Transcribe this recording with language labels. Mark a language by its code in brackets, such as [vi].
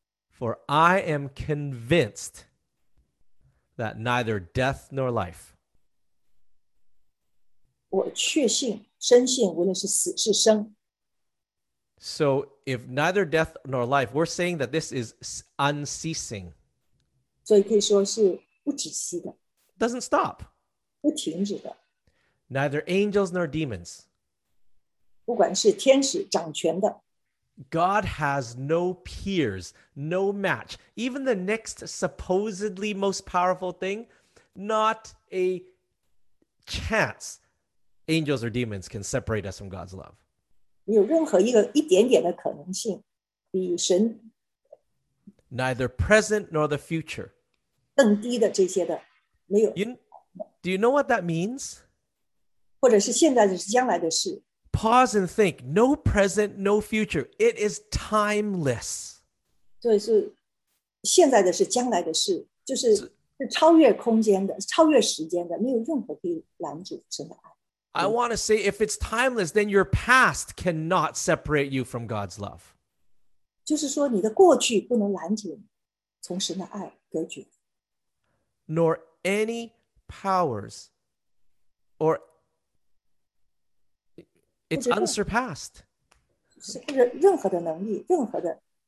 [en] For I am convinced that neither death nor life. [zh] 我确信,深信无论是死是生。 [en] So if neither death nor life, we're saying that this is unceasing. [zh] 所以可以说是不止息的。 [en] Doesn't stop. [zh] 不停止的。 [en] Neither angels nor demons. [zh] 不管是天使掌权的。 [en] God has no peers, no match. Even the next supposedly most powerful thing, not a chance angels or demons can separate us from God's love. [zh] 没有任何一点点的可能性比神 [en] Neither present nor the future. [zh] 更低的这些的没有 [en] Do you know what that means? [zh] 或者是现在的是将来的事 [en] pause and think, no present, no future. It is timeless. [zh] 对，是现在的是将来的事，就是是超越空间的，超越时间的，没有任何可以拦阻神的爱。 [en] I want to say, if it's timeless, then your past cannot separate you from God's love. [zh] 就是说，你的过去不能拦阻你从神的爱隔绝。 [en] Nor any powers, or it's unsurpassed. [zh] 任何的能力，任何的。